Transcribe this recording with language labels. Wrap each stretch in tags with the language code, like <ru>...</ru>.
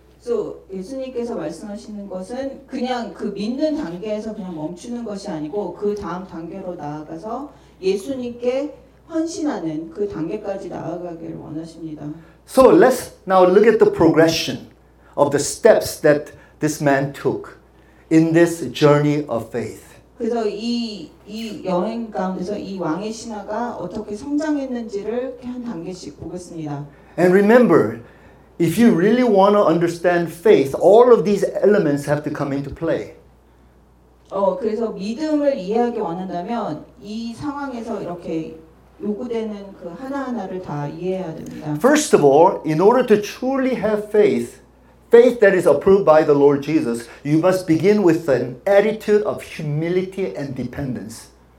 <ko>So 예수님께서 말씀하시는 것은 그냥 그 믿는 단계에서 그냥 멈추는 것이 아니고 그 다음 단계로 나아가서 예수님께 헌신하는 그 단계까지 나아가기를 원하십니다.</ko> <en>So let's now look at the progression of the steps that this man took in this journey of faith.</en> <ko>그래서 이 여행 가운데서 이 왕의 신하가 어떻게 성장했는지를 한 단계씩 보겠습니다.</ko> <en>And remember, if you really want to understand faith, all of these elements have to come into play.</en> <ko>그래서 믿음을 이해하기 원한다면 이 상황에서 이렇게 요구되는 그 하나하나를 다 이해해야 됩니다.</ko> <en>First of all, in order to truly have faith, faith that is approved by the Lord Jesus, you must begin with an attitude of humility and dependence.</en>